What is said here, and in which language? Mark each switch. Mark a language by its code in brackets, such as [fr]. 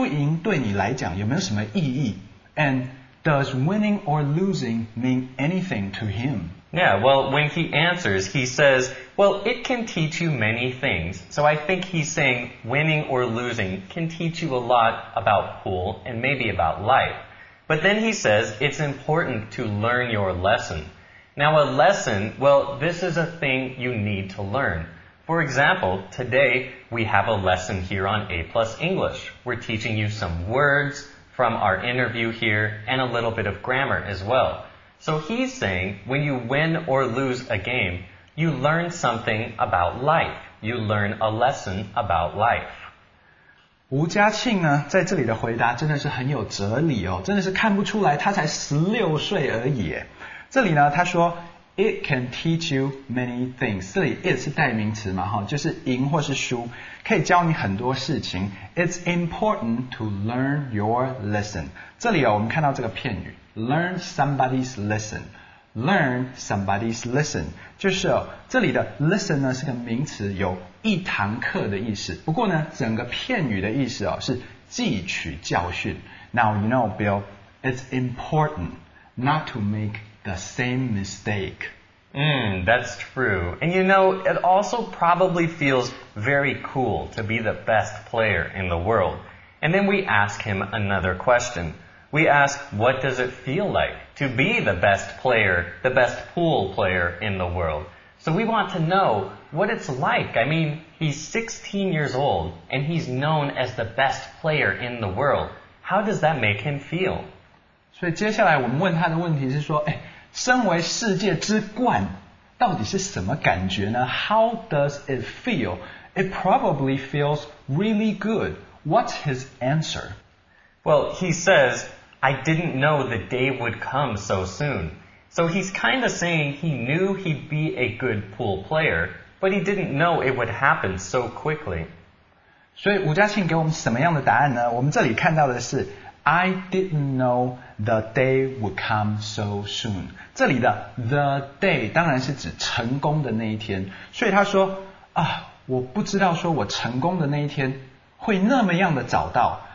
[zh] 对，这里我们有一个问题要问他哦。我们想说，哎，问问这位撞球神童说，输赢对你来讲有没有什么意义？ [en] And does winning or losing mean anything to him? Yeah, well, when he answers, he says, well, it can teach you many things. So I think he's saying winning or losing can teach you a lot about pool and maybe about life. But then he says it's important to learn your lesson. Now, a lesson, well, this is a thing you need to learn. For example, today we have a lesson here on A Plus English. We're teaching you some words from our interview here and a little bit of grammar as well. So he's saying when you win or lose a game, you learn something about life. You learn a lesson about life. [zh] 吴家庆呢，在这里的回答真的是很有哲理哦，真的是看不出来他才16岁而已。这里呢，他说 [en] It can teach you many things. [zh] 这里 it 是代名词嘛，就是赢或是输，可以教你很多事情。 [en] It's important to learn your lesson. [zh] 这里哦，我们看到这个片语 [en] ，learn somebody's lesson。 Learn somebody's lesson [zh] 就是、哦、这里的 listen 呢是个名词，有一堂课的意思。不过呢，整个片语的意思、哦、是汲取教训。 [en] Now you know Bill, it's important not to make the same mistake. That's true. And you know, it also probably feels very cool to be the best player in the world. And then we ask him another question. We ask, what does it feel like to be the best player, the best pool player in the world? So we want to know what it's like. I mean, he's 16 years old and he's known as the best player in the world. How does that make him feel? [zh] 所以接下来我们问他的问题是说，哎，身为世界之冠，到底是什么感觉呢？ [en] How does it feel? It probably feels really good. What's his answer? Well, he says, I didn't know the day would come so soon. So he's kind of saying he knew he'd be a good pool player, but he didn't know it would happen so quickly. [zh] 所以吴嘉庆给我们什么样的答案呢？我们这里看到的是 [en] I didn't know the day would come so soon. [zh] 这里的 the day 当然是指成功的那一天。所以他说啊，我不知道说我成功的那一天会那么样的找到。